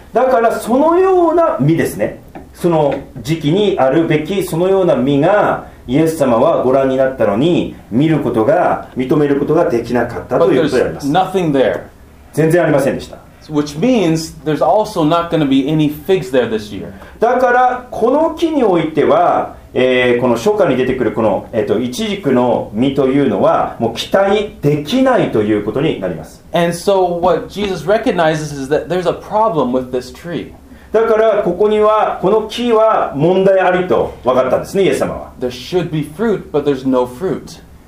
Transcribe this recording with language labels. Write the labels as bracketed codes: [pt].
[ja] だからそのような実ですね、その時期にあるべきそのような実がイエス様はご覧になったのに見ることが認めることができなかったということであります。 [en] nothing there. [ja] 全然ありませんでした。 [en] Which means there's also not going to be any figs there this year. [ja] だからこの木においては、この初夏に出てくるこの、イチジクの実というのはもう期待できないということになります。 [en] And so what Jesus recognizes is that there's a problem with this tree. [ja] だからここにはこの木は問題ありと分かったんですね、イエス様は。 [en] There should be fruit, but there's no fruit.